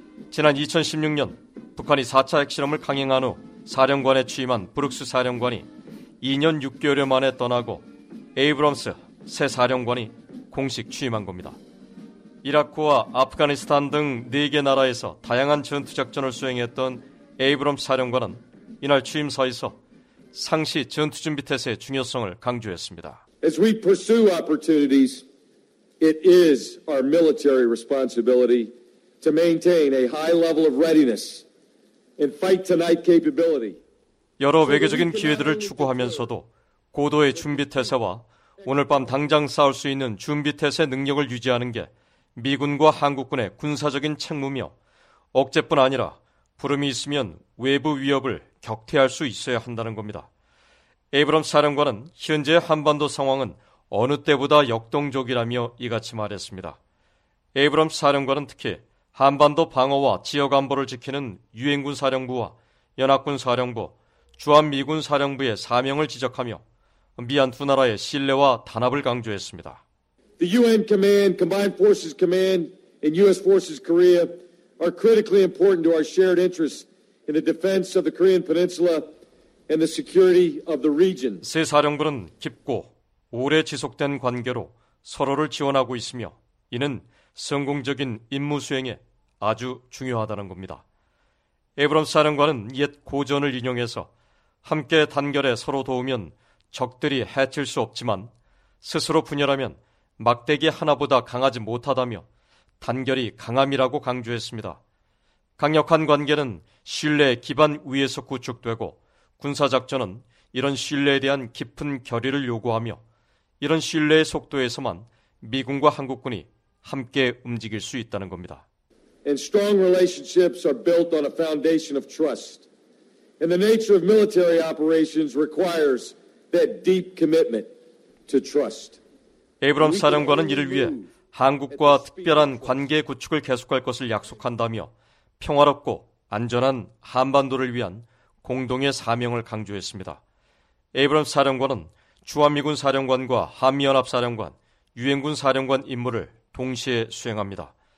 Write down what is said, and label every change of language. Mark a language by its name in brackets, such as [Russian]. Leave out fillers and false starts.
[Korean] 지난 2016년 북한이 4차 핵실험을 강행한 후 사령관에 취임한 브룩스 사령관이 2년 6개월여 만에 떠나고 에이브럼스 새 사령관이 공식 취임한 겁니다. 이라크와 아프가니스탄 등 4개 나라에서 다양한 전투작전을 수행했던 에이브럼스 사령관은 이날 취임사에서 상시 전투준비태세의 중요성을 강조했습니다. [English] As we pursue opportunities, it is our military responsibility to maintain a high level of readiness and fight tonight capability. [Korean] 여러 외교적인 기회들을 추구하면서도 고도의 준비태세와 오늘 밤 당장 싸울 수 있는 준비태세 능력을 유지하는 게 미군과 한국군의 군사적인 책무며 억제뿐 아니라 부름이 있으면 외부 위협을 격퇴할 수 있어야 한다는 겁니다. 에이브럼스 사령관은 현재 한반도 상황은 어느 때보다 역동적이라며 이같이 말했습니다. 에이브럼스 사령관은 특히 한반도 방어와 지역 안보를 지키는 유엔군 사령부와 연합군 사령부, 주한미군 사령부의 사명을 지적하며 미한 두 나라의 신뢰와 단합을 강조했습니다. [English] The UN Command, Combined Forces Command, and U.S. Forces Korea are critically important to our shared interests in the defense of the Korean Peninsula and the security of the region. [Korean] 세 사령부는 깊고 오래 지속된 관계로 서로를 지원하고 있으며 이는 성공적인 임무 수행에 아주 중요하다는 겁니다. 에브럼스 사령관은 옛 고전을 인용해서 함께 단결해 서로 도우면 적들이 해칠 수 없지만 스스로 분열하면 막대기 하나보다 강하지 못하다며 단결이 강함이라고 강조했습니다. 강력한 관계는 신뢰의 기반 위에서 구축되고 군사작전은 이런 신뢰에 대한 깊은 결의를 요구하며 이런 신뢰의 속도에서만 미군과 한국군이 함께 움직일 수 있다는 겁니다. [English] And strong relationships are built on a foundation of trust. And the nature of military operations requires that deep commitment to trust. [Korean] 에이브럼 사령관은 이를 위해 한국과 특별한 관계 구축을 계속할 것을 약속한다며 평화롭고 안전한 한반도를 위한 공동의 사명을 강조했습니다. 에이브럼 사령관은 주한미군 사령관과 한미연합 사령관, 유엔군 사령관 임무를 동시에 수행합니다.